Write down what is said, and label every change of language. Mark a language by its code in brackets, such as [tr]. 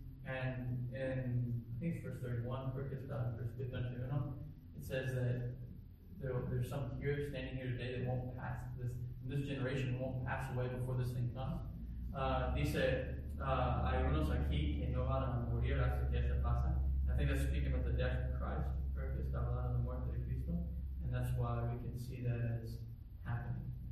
[en] And in, I think it's verse 31, verse 31, it says that there's some here, standing here today, that won't pass this this generation won't pass away before this thing comes. [es] Dice, hay unos aquí que no van a morir hasta que se pasa. [en] I think that's speaking about the death of Christ, correct? [es] Está hablando de muerte de Cristo. [en] And that's why we can see that as happening.